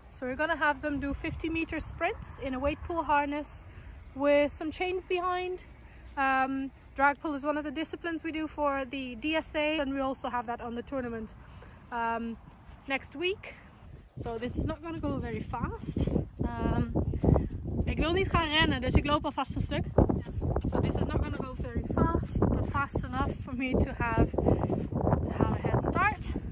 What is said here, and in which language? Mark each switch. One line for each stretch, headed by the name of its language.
English: So we're gonna have them do 50 meter sprints in a weight pull harness with some chains behind. Drag pull is one of the disciplines we do for the DSA, and we also have that on the tournament next week. So this is not gonna go very fast.
Dutch: Ik wil niet gaan rennen, dus ik loop alvast een stuk.
English: So this is not gonna go very fast, but fast enough for me to have a head start.